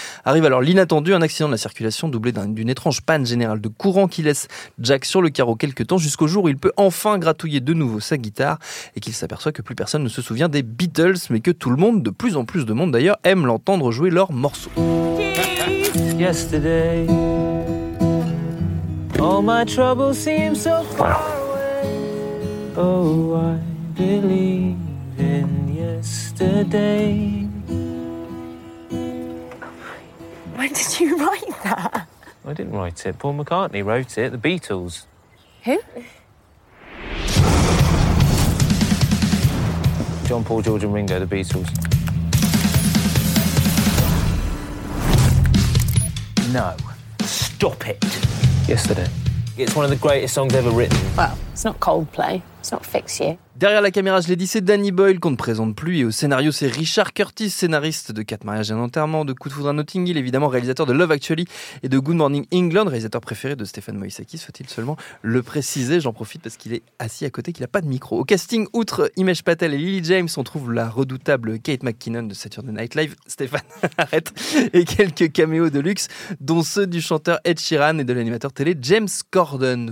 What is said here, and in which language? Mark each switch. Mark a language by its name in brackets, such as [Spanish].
[French] Arrive alors l'inattendu, un accident de la circulation doublé d'une étrange panne générale de courant qui laisse Jack sur le carreau quelques temps jusqu'au jour où il peut enfin gratouiller de nouveau sa guitare et qu'il s'aperçoit que plus personne ne se souvient des Beatles, mais que tout le monde, de plus en plus de monde d'ailleurs, aime l'entendre jouer leurs morceaux. [English] Yesterday, all my troubles seem so far away. Oh, I believe in yesterday. When did you write that? I didn't write it. Paul McCartney wrote it. The Beatles. Who? John, Paul, George and Ringo, the Beatles. No. Stop it. Yesterday. It's one of the greatest songs ever written. Well, it's not Coldplay. It's not Fix You. [French] Derrière la caméra, je l'ai dit, c'est Danny Boyle qu'on ne présente plus. Et au scénario, c'est Richard Curtis, scénariste de 4 mariages et un enterrement, de Coup de foudre à Notting Hill, évidemment réalisateur de Love Actually et de Good Morning England, réalisateur préféré de Stéphane Moïsakis, faut-il seulement le préciser. J'en profite parce qu'il est assis à côté, qu'il n'a pas de micro. Au casting, outre Himesh Patel et Lily James, on trouve la redoutable Kate McKinnon de Saturday Night Live, Stéphane, arrête, et quelques caméos de luxe, dont ceux du chanteur Ed Sheeran et de l'animateur télé James Corden.